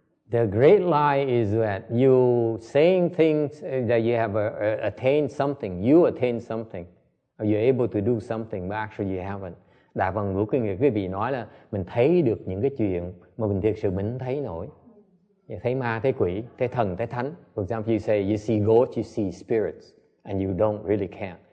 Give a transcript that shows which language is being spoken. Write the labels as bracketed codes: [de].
[en] The great lie is that you saying things that you have attained something. You attained something. You're able to do something, but actually you haven't. [vi] Đại phần của cái người quý vị nói là mình thấy được những cái chuyện mà mình thực sự mình không thấy nổi. Thấy ma, thấy quỷ, thấy thần, thấy thánh. [en] For example, you say you see ghosts, you see spirits, and you don't really can.